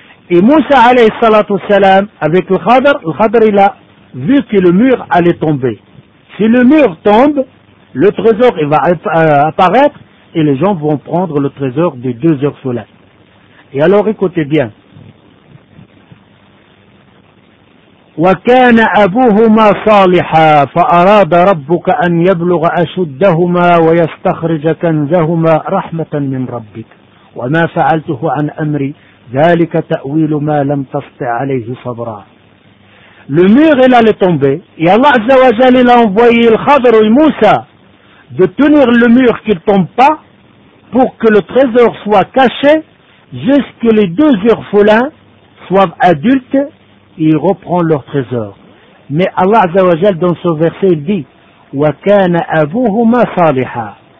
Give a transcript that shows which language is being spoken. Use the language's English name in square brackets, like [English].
[French] Et Moussa alayhi salatu salam, avec le Khadr il a vu que le mur allait tomber. Si le mur tombe, le trésor il va apparaître et les gens vont prendre le trésor des deux orphelins. Et alors écoutez bien. [Arabic] وكان أبوهما صالحا فأراد ربك أن يبلغ أشدهما ويستخرج كنزهما رحمة من ربك وما فعلته عن أمري ذلك تأويل ما لم تستع عليه صبرا. [French] Le mur il allait tomber et Allah Azza wa Jal il a envoyé le Khadr et Moussa de tenir le mur qu'il tombe pas pour que le trésor soit caché jusqu'à les deux orphelins soient adultes. Il reprend leur trésor. Mais Allah Azza wa Jal dans ce verset il dit [Arabic] wa kana abuhuma saliha.